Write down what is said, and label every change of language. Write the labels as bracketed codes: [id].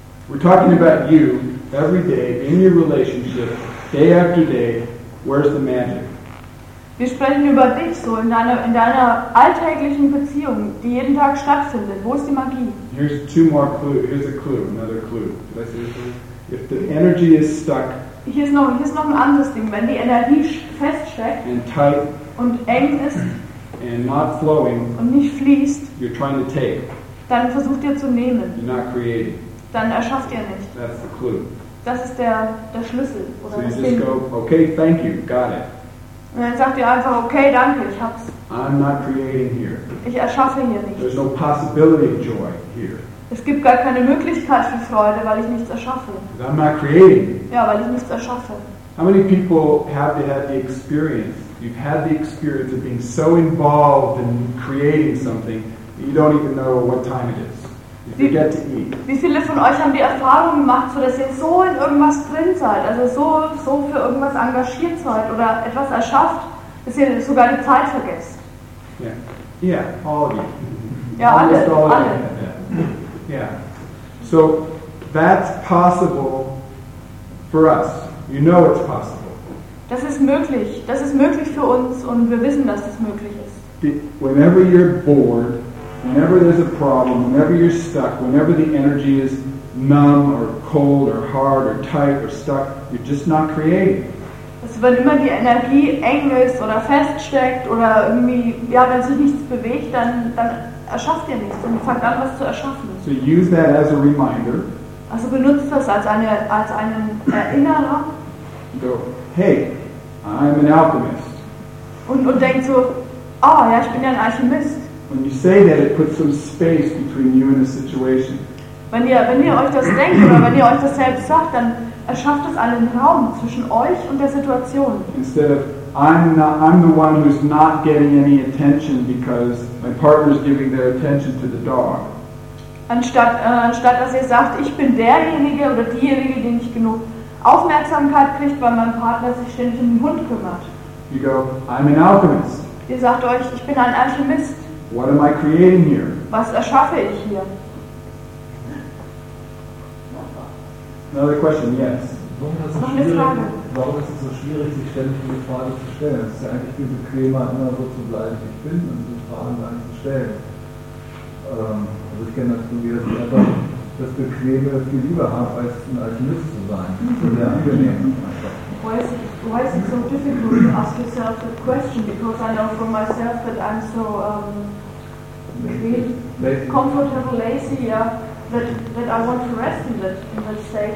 [en] We're talking about you, every day, in your relationship, day after day, where's the magic? [de] Wir sprechen über dich, so in deiner alltäglichen Beziehung, die jeden Tag stattfindet. Wo ist die Magie? [en] Here's two more clues. Here's a clue, another clue. Did I say this? If the energy is stuck, [de] hier ist noch ein anderes Ding. Wenn die Energie feststeckt [en] and tight, [de] und eng ist [en] and not flowing, [de] und nicht fließt, [en] you're trying to take. [de] Dann versucht ihr zu nehmen. [en] You're not creating. [de] Dann erschafft ihr nicht. [en] That's the clue. [de] Das ist der Schlüssel. Oder das [en] you just go, okay, thank you, got it. [de] Und dann sagt ihr einfach, okay, danke, ich hab's. [en] I'm not creating here. [de] Ich erschaffe hier nichts. [en] There's no possibility of joy here. [de] Es gibt gar keine Möglichkeit für Freude, weil ich nichts erschaffe. [en] I'm not creating. [de] Ja, weil ich nichts erschaffe. [en] How many people have had the experience? You've had the experience of being so involved in creating something that you don't even know what time it is. You forget to eat. [de] Wie viele von euch haben die Erfahrung gemacht, so dass ihr so in irgendwas drin seid, also so für irgendwas engagiert seid oder etwas erschafft, dass ihr sogar die Zeit vergesst? [en] Yeah, all of you. [de] Ja, alle. [en] Yeah. So that's possible for us. You know it's possible. [de] Das ist möglich. Das ist möglich für uns und wir wissen, dass das möglich ist. [en] Whenever you're bored, whenever there's a problem, whenever you're stuck, whenever the energy is numb or cold or hard or tight or stuck, you're just not creating. [de] Also wenn immer die Energie eng ist oder feststeckt oder irgendwie, ja, wenn sich nichts bewegt, dann erschafft ihr nichts und fangt an, was zu erschaffen. [en] So use that as a reminder. [de] Also benutzt das als einen Erinnerer. [en] Go, hey, I'm an alchemist. [de] Und denkt so, ah, oh, ja, ich bin ja ein Alchemist. [en] When you say that, it puts some space between you and the situation. [de] Wenn ihr euch das denkt oder wenn ihr euch das selbst sagt, dann erschafft es einen Raum zwischen euch und der Situation. [en] Instead of I'm the one who's not getting any attention because my partner's giving their attention to the dog. [de] Anstatt dass ihr sagt, ich bin derjenige oder diejenige, die nicht genug Aufmerksamkeit kriegt, weil mein Partner sich ständig um den Hund kümmert. [en] You go, I'm an alchemist. [de] Ihr sagt euch, ich bin ein Alchemist. [en] What am I creating here? [de] Was erschaffe ich hier? [en] Another question, yes. [de] Warum ist es so schwierig, sich ständig diese Frage zu stellen? Es ist ja eigentlich viel bequemer, immer so zu bleiben, wie ich bin, und diese Fragen dann zu stellen. Also ich kenne das von mir, dass ich einfach das Bequeme viel lieber habe, als ein Alchemist zu sein. So sehr angenehm. [en] Why is it so difficult to ask yourself the question? Because I know for myself that I'm so lazy. Comfortable, lazy, yeah, that I want to rest in that state.